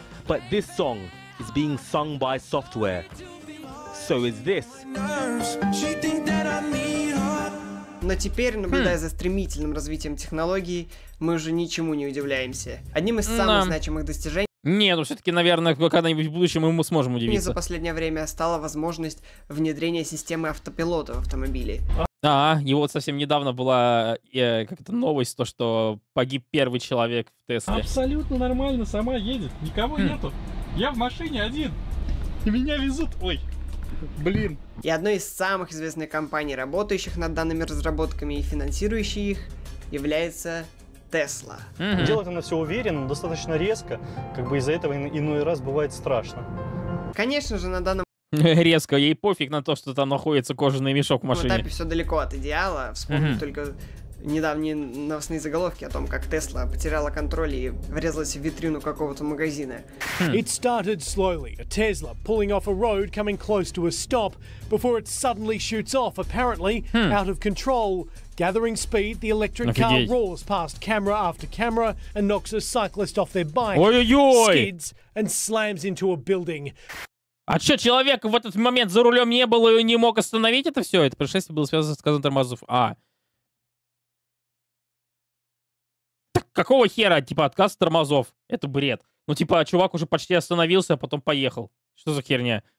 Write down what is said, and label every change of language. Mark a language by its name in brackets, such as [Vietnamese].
[English] But this song is being sung by software. So is this. [Russian] Но теперь, наблюдая за стремительным развитием технологий, мы уже ничему не удивляемся. Одним из самых значимых достижений... Не, ну все-таки, наверное, когда-нибудь в будущем мы сможем удивиться. И за последнее время стала возможность внедрения системы автопилота в автомобиле. А, и вот совсем недавно была как-то новость, то, что погиб первый человек в Тесле. Абсолютно нормально, сама едет, никого нету. Я в машине один, и меня везут, ой, блин. И одной из самых известных компаний, работающих над данными разработками и финансирующей их, является... Тесла. Делать она все уверенно, достаточно резко, как бы из-за этого иной раз бывает страшно. Конечно же, на данном... Резко, ей пофиг на то, что там находится кожаный мешок в машине. На этапе все далеко от идеала, вспомню только недавние новостные заголовки о том, как Тесла потеряла контроль и врезалась в витрину какого-то магазина. [English] It started slowly, a Tesla pulling off a road, coming close to a stop, before it suddenly shoots off, apparently out of control. Gathering speed, the electric car roars past camera after camera and knocks a cyclist off their bike, [Russian] ой-ой-ой! [English] Skids and slams into a building. [Russian] А чё, человек в этот момент за рулем не был и не мог остановить это все? Это происшествие было связано с отказом тормозов. А. Так какого хера, типа, отказ тормозов? Это бред. Ну, типа, чувак уже почти остановился, а потом поехал. Что за херня?